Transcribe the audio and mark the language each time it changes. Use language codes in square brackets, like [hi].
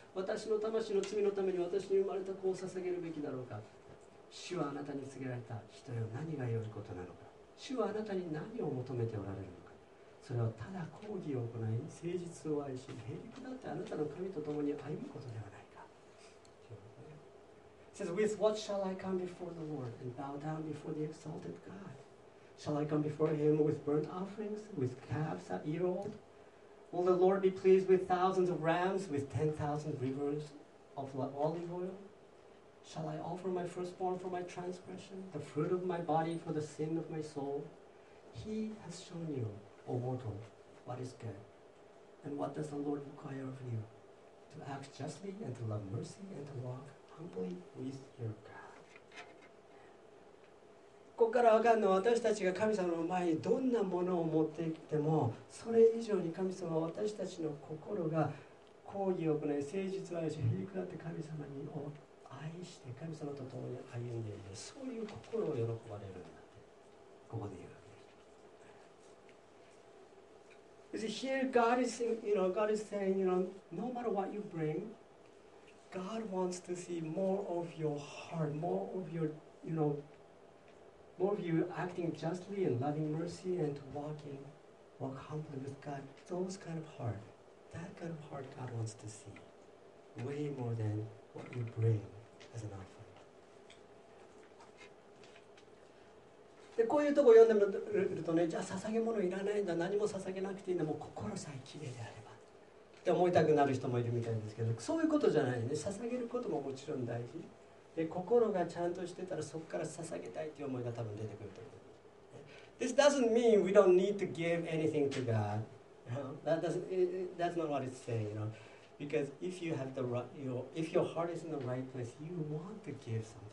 [ja] 私の魂の罪のために私に生まれた子を捧げるべきだろうか。主はあなたに告げられた人よ、何が良いことなのか。主はあなたに何を求めておられるのか。それはただ公義を行い、誠実を愛し、平気だってあなたの神と共に歩むことではないか。 [en] It says, with what shall I come before the Lord and bow down before the exalted God? Shall I come before him with burnt offerings, with calves a year old? Will the Lord be pleased with thousands of rams, with 10,000 rivers of olive oil? Shall I offer my firstborn for my transgression, the fruit of my body for the sin of my soul? He has shown you, O mortal, what is good. And what does the Lord require of you? To act justly and to love mercy and to walk humbly with your God. [ja] ここからわかるのは、私たちが神様の前にどんなものを持ってきても、それ以上に神様は私たちの心が公義を行い、誠実を愛し、平気だって神様に愛して神様と共に歩んでいる、そういう心を喜ばれるんだってここで言うわけです。 [en] Here God is, you know, God is saying, you know, no matter what you bring, God wants to see more of your heart, more of your, you know, more of you acting justly and loving mercy and to walk humbly with God. Those kind of heart, that kind of heart God wants to see way more than what you bring. As an offering. [ja] でこういうとこ読んでみるとね、じゃあ捧げ物いらないんだ、何も捧げなくていいんだ、もう心さえきれいであればって思いたくなる人もいるみたいですけど、そういうことじゃないね。捧げることももちろん大事で、心がちゃんとしてたらそこから捧げたいという思いが多分出てくると思う、ね、 [en] This doesn't mean we don't need to give anything to God. That's not what it's saying, you know. Because if you have the right, you know, if your heart is in the right place, you want to give something to God.